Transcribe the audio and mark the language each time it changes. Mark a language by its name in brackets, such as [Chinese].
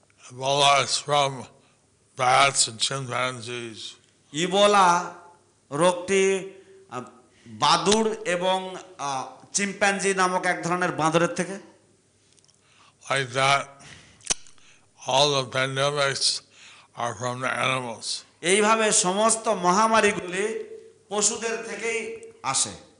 [English] Ebola is from bats and chimpanzees. [Bangla] Ebola রোগটি বাদুড় এবং চিম্প্যাঞ্জি নামক এক ধরনের বাঁদরের থেকে। [English] Like that, all the pandemics are from the animals. [Bangla] এইভাবে সমস্ত মহামারীগুলি পশুদের থেকেই আসে।